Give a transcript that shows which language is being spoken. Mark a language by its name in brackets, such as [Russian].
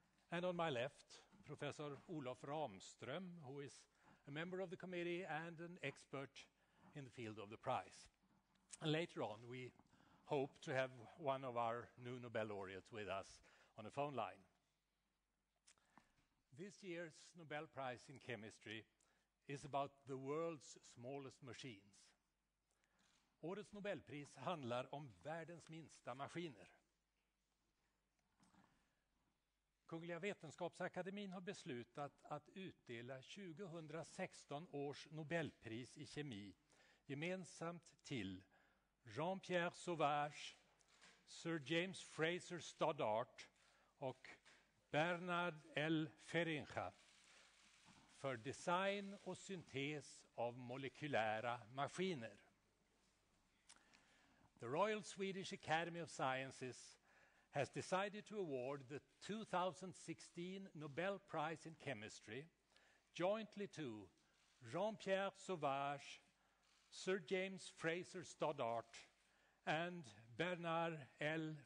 [English] And on my left, Professor Olof Ramström, who is a member of the committee and an expert in the field of the prize. And later on, we hope to have one of our new Nobel laureates with us on a phone line. This year's Nobel Prize in Chemistry is about the world's smallest machines. [Swedish] Årets Nobelpris handlar om världens minsta maskiner. Kungliga Vetenskapsakademin har beslutat att utdela 2016 års Nobelpris i kemi gemensamt till Jean-Pierre Sauvage, Sir James Fraser Stoddart och Bernard L. Feringa för design och syntes av molekylära maskiner. [English] The Royal Swedish Academy of Sciences has decided to award the 2016 Nobel Prize in Chemistry jointly to Jean-Pierre Sauvage, Sir James Fraser Stoddart, and Bernard L.